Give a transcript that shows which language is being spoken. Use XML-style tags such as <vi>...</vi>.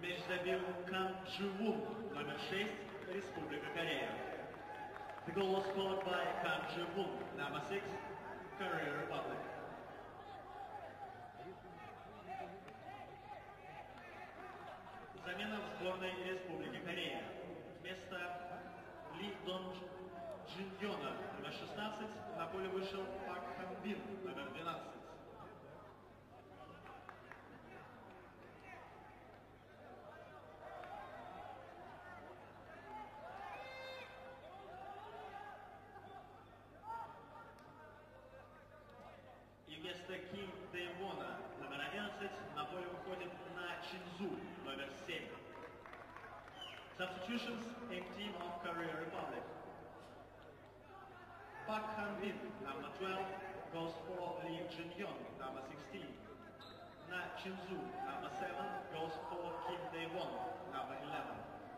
<ru>Сабил Кан Чжу, номер 6, Республика Корея.</ru> <en>The goal was scored by Kang Ji-woon, number 6, Korea Republic.</en> <ru>Замена в сборной Республики Корея. Вместо Ли Дон Джиньона, номер 16, на поле вышел Пак Хан Бин, номер 12. Вместо Ким Дэйвона, номер 11, на поле выходит На Чинзу, номер 7.</ru> <en>Substitutions in team of Korea Republic. Пак Хан Бин,</en> <ru>номер 12,</ru> <en>goes for Ли Чжин Йон,</en> <ru>номер 16.</ru> <en>На Чинзу,</en> <ru>номер 7,</ru> <en>goes for Ким Дэйвон,</en> <ru>номер 11.</ru>